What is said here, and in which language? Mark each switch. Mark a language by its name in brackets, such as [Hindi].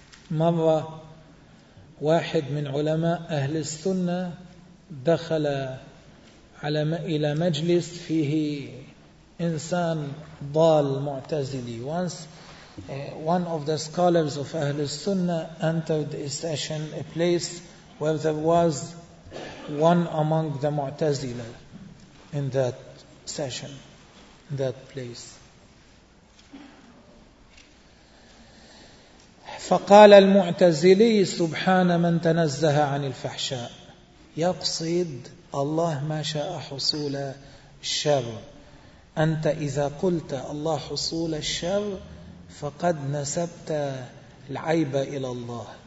[Arabic] مرة واحد من علماء أهل السنة دخل على إلى مجلس فيه إنسان ضال معتزلي. [English] Once one of the scholars of Ahl al-Sunnah entered a session, a place where there was one among the Mu'tazila in that session, in that place. [Arabic] فقال المعتزلي سبحان من تنزه عن الفحشاء. يقصد الله ما شاء حصول الشر. أنت إذا قلت الله حصول الشر فقد نسبت العيب إلى الله.